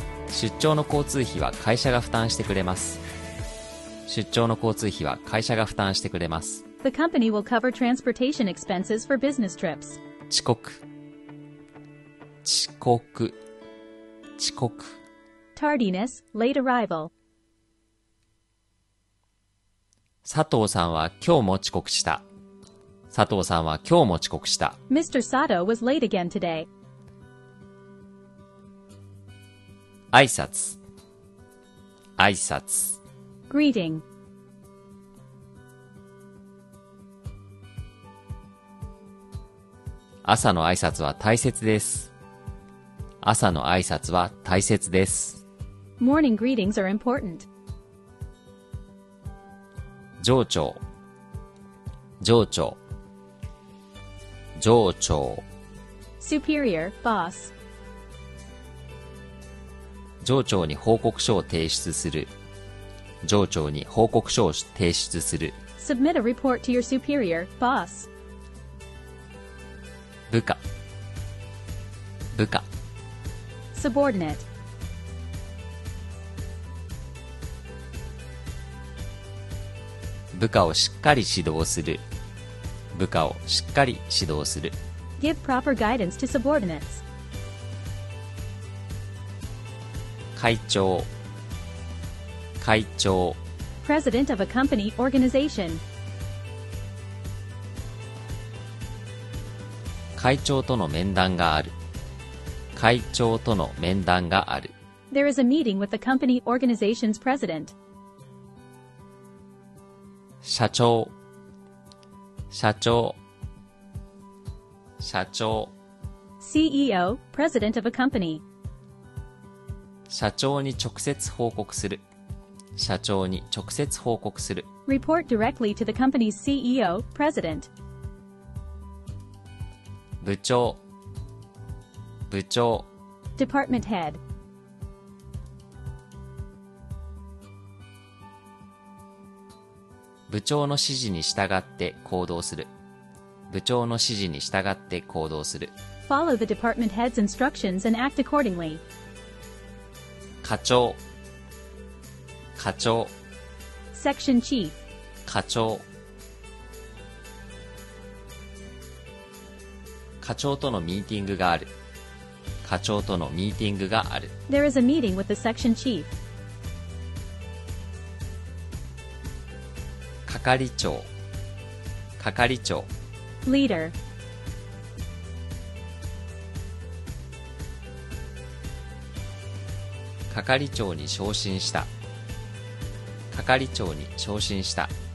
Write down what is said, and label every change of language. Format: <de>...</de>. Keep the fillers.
<ja>出張の交通費は会社が負担してくれます出張の交通費は会社が負担してくれます</ja> <en>The company will cover transportation expenses for business trips.</en> <ja>遅刻遅刻遅刻</ja> <en>Tardiness, late arrival.</en> <ja>佐藤さんは今日も遅刻した。佐藤さんは今日も遅刻した。</ja> <en>Mr. Sato was late again today.</en> <ja>挨拶挨拶 Greeting 朝の挨拶は大切です。朝の挨拶は大切です。</ja> <en>Morning greetings are important.</en> <ja>情緒情緒上長</ja> <en>superior, boss</en> <ja>上長に報告書を提出する上長に報告書を提出する</ja> <en>submit a report to your superior, boss</en> <ja>部下部下</ja> <en>subordinate</en> <ja>部下をしっかり指導する部下をしっかり指導する</ja> <en>Give proper guidance to subordinates.</en> <ja>会長会長</ja> <en>President of a company, organization.</en> <ja>会長との面談がある会長との面談がある</ja> <en>There is a meeting with the company organization's president.</en> <ja>社長社長社長社長。</ja> <en>CEO, President of a Company</en> <ja>社長に直接報告する。社長に直接報告する。</ja> <en>Report directly to the company's CEO, President</en> <ja>部長。部長。</ja> <en>Department Head</en> <ja>部長の指示に従って行動する。部長の指示に従って行動する。</ja> <en>Follow the department head's instructions and act accordingly.</en> <ja>課長課長</ja> <en>Section chief</en> <ja>課長課長とのミーティングがある課長とのミーティングがある</ja> <en>There is a meeting with the section chief is a</en> <ja>係長係長 leader 係長に昇進した係長に昇進した</ja>